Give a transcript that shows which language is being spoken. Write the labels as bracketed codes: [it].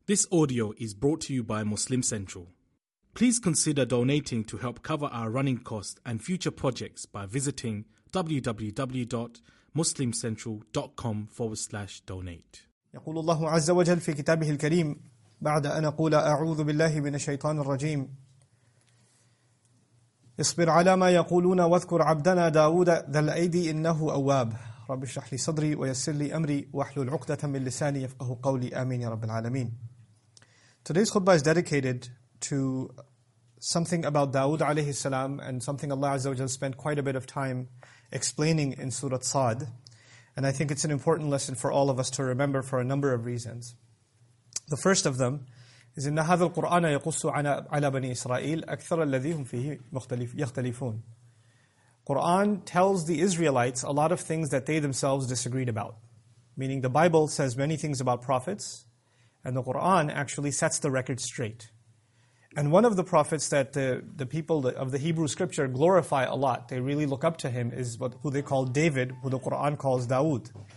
[en] This audio is brought to you by Muslim Central. Please consider donating to help cover our running costs and future projects by visiting www.muslimcentral.com/donate. [ar] يقول الله عز وجل في كتابه الكريم بعد أن أقول أعوذ بالله من الشيطان الرجيم اصبر على ما يقولون واذكر عبدنا داود ذا الأيدي إنه أواب رب اشرح لي صدري ويسر لي أمري واحلل عقدة من لساني يفقه قولي آمين يا رب العالمين. [en] Today's khutbah is dedicated to something about Dawood alayhi salam and something Allah Azza wa Jalla spent quite a bit of time explaining in Surah Sad. And I think it's an important lesson for all of us to remember for a number of reasons. The first of them is [ar] إِنَّ هَذَا الْقُرْآنَ يَقُصُّ عَلَى بَنِي إِسْرَائِيلَ أَكْثَرَ الَّذِي هُمْ فِيهِ يَخْتَلِفُونَ. [en] Quran tells the Israelites a lot of things that they themselves disagreed about. Meaning the Bible says many things about prophets, and the Qur'an actually sets the record straight. And one of the prophets that the people of the Hebrew scripture glorify a lot, they really look up to him, is what who they call David, who the Qur'an calls Dawood.